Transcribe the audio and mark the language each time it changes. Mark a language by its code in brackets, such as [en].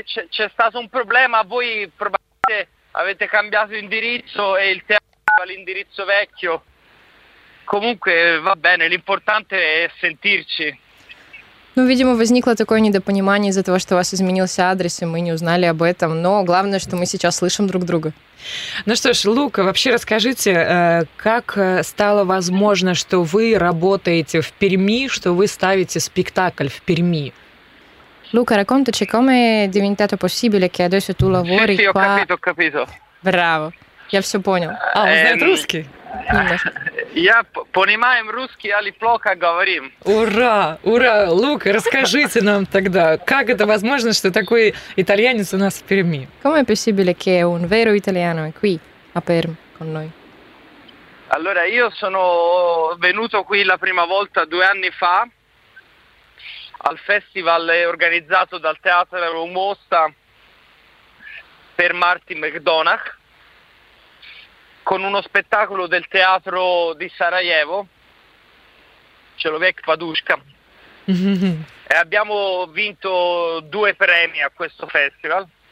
[it] C'è stato un problema, voi probabilmente avete cambiato indirizzo e il teatro ha l'indirizzo vecchio. Comunque va bene, l'importante è sentirci. [ru] Ну, видимо, возникло такое недопонимание из-за того, что у вас изменился адрес, и мы не узнали об этом, но главное, что мы сейчас слышим друг друга. Ну что ж, Лука, вообще расскажите, как стало возможно, что вы работаете в Перми, что вы ставите спектакль в Перми? [it] Luca, raccontaci come è diventato possibile che adesso tu lavori sì, qua... Sì, ho capito. [ru] Bravo, я все понял. Знает русский? Я понимаю русский, а неплохо говорим. Ура! Лука, расскажите нам тогда, как это возможно, что такой итальянец у нас в Перми? [it] Come è possibile che un vero italiano è qui, a Perm, con noi? Allora, io sono venuto qui la prima volta 2 anni fa, al festival organizzato dal Teatro Mostra per Martin McDonagh, con uno spettacolo del Teatro di Sarajevo, Človek Padushka, e abbiamo vinto 2 premi a questo festival.